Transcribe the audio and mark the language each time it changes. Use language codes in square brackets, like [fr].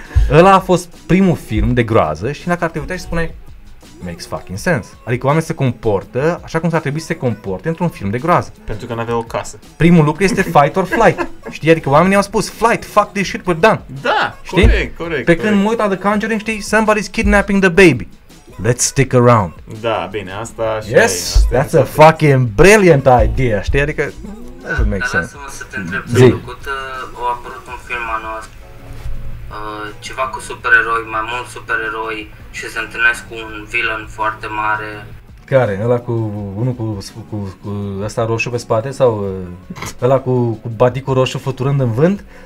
[ro] Ăla a fost primul film de groază și la care te uiteai și spune [en] makes fucking sense. [ro] Adică oamenii se comportă așa cum s-ar trebui să se comporte într-un film de groază. Pentru că n-avea o casă. Primul lucru este [en] fight or flight. [ro] Știi? Adică oamenii au spus [en] flight, fuck this shit, we're done. [ro] Da, știi? Corect, corect. Pe când mă uit la The Conjuring, știi? [en] Somebody's kidnapping the baby. Let's stick around. [ro] Da, bine, asta și [en] yes, e, that's a fucking brilliant idea, [ro] știi? Adică, da, [en] doesn't make sense. [ro] Lasă-mă să te întreb, s-a făcut, a apărut un film anul ăsta, ceva cu supereroi, mai mult supereroi și se întâlnesc cu un villain foarte mare. Care? Ăla cu unul cu ăsta roșu pe spate sau ăla cu baticul roșu fluturând în vânt?